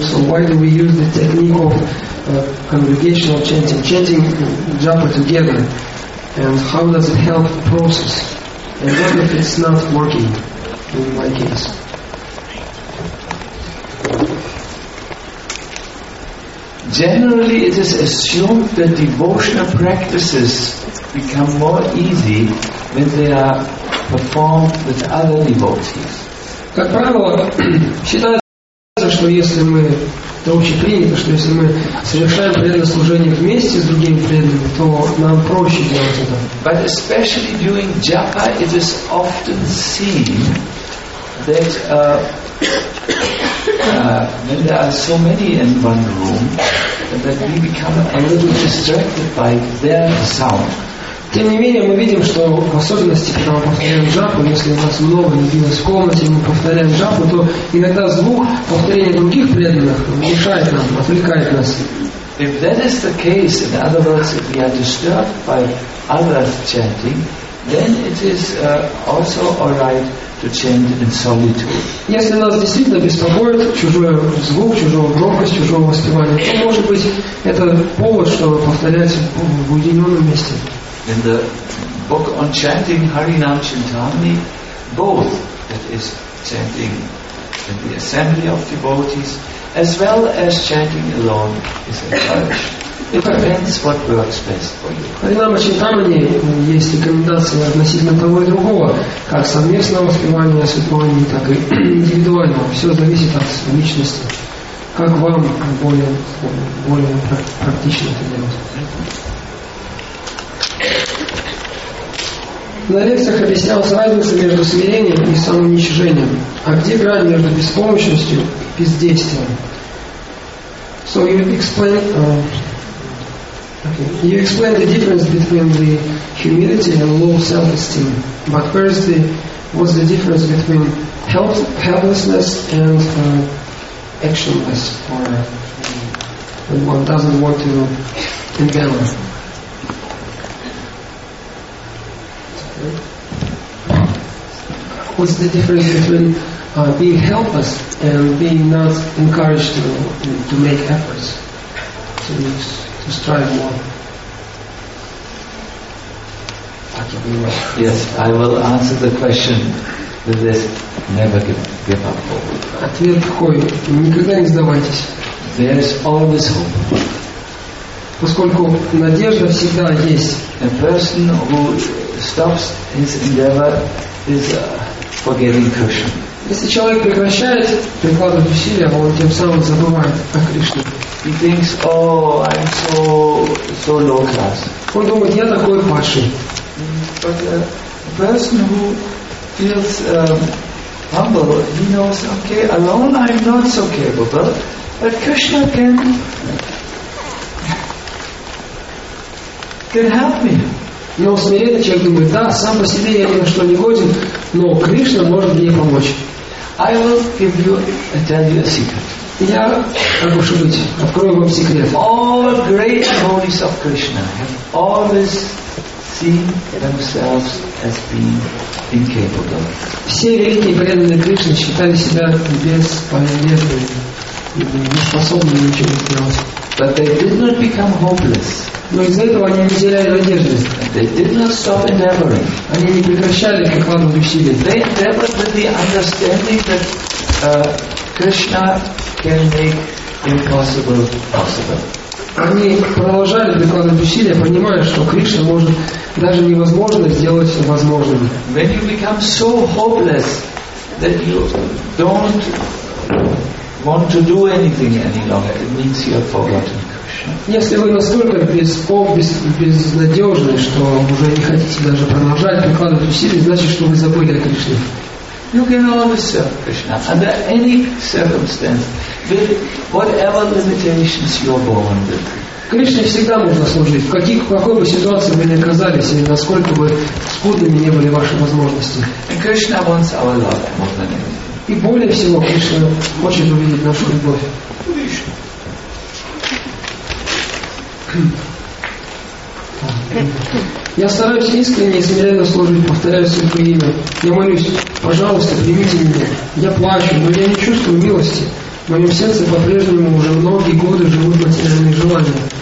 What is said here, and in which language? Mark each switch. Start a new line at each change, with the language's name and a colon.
English: So why do we use the technique of congregational chanting japa together, and how does it help the process, and what if it's not working in my case? Generally it is assumed that devotional practices become more easy when they are performed with other devotees.
Russian: Как правило, считается, что если мы, это очень принято, что если мы совершаем преданное служение вместе с другими преданными, то нам проще делать это.
English: But especially during japa, it is often seen that when there are so many in one room, that we become a little distracted by their sound.
Russian: Тем не менее, мы видим, что в особенности, когда мы повторяем джапу, если у нас много единиц в комнате, мы повторяем джапу, то иногда звук повторения других преданных мешает нам, отвлекает нас.
English: If that is the case, in other words, if we are disturbed by others chanting, then it is also all right to chant in solitude.
Russian: Если нас действительно беспокоит чужой звук, чужая громкость, чужое воспевание, то, может быть, это повод, чтобы повторять в уединенном месте.
English: In the book on chanting Harinam Chintamani, both, that is, chanting in the assembly of devotees, as well as chanting alone, is encouraged. It depends what works best for you.
Russian: Harinam Chintamani есть рекомендации относительно того и другого, как совместного воспевания святого имени, так и индивидуального. Все зависит от личности. Как вам более практично это делать? На лекциях объяснялась разница между смирением и самоуничижением. А где грань между беспомощностью и бездействием?
English: So you explain, okay. You explain the difference between the humility and low self-esteem. But where is the, what's the difference between helplessness and actionless, or when one doesn't want to endeavor? What's the difference between being helpless and being not encouraged to make efforts to strive more? Yes, I will answer the question with this: never give up hope.
Russian: Ответ какой? Никогда не сдавайтесь.
English: There is always hope.
Russian: Поскольку надежда всегда есть.
English: A person who stops his endeavor is forgetting Krishna.
Russian: Если человек прекращает прикладывать усилия, он тем самым забывает о Кришне.
English: He thinks, oh, I'm so low class.
Russian: Он думает, я такой падший.
English: But a person who feels humble, he knows, okay, alone I'm not so capable, but Krishna can help me.
Russian: Но смиренный человек думает, да, сам по себе я ни на что не годен, но Кришна может мне помочь.
English: I will give you, I tell you a secret.
Russian: Я, как уж быть, открою вам секрет.
English: All the great devotees of Krishna have always seen themselves as being incapable.
Russian: Все великие преданные Кришны считали себя бесполезными и неспособными ничего сделать.
English: But they did not become hopeless.
Russian: Но из-за этого они не теряли надежды.
English: They did not stop endeavoring.
Russian: Они не прекращали прикладывать усилия.
English: They endeavored with the understanding that Krishna can make impossible possible.
Russian: Они продолжали прикладывать усилия, понимая, что Кришна может даже невозможное сделать возможным.
English: When you become so hopeless, that you don't want to do anything any longer, it means you have forgotten Krishna.
Russian: Если вы настолько безнадежны, что уже не хотите даже продолжать прикладывать усилия, значит, что вы забыли о Кришне.
English: You can always serve Krishna under any circumstance, with whatever limitations you are born with.
Russian: Кришне всегда можно служить. В какой бы ситуации вы ни оказались, и насколько бы скудными не были ваши возможности.
English: And Krishna wants our love more than anything.
Russian: И более всего Кришна хочет увидеть нашу любовь. Я стараюсь искренне и смиренно служить, повторяю свое имя. Я молюсь, пожалуйста, примите меня. Я плачу, но я не чувствую милости. В моем сердце по-прежнему уже многие годы живут материальные желания.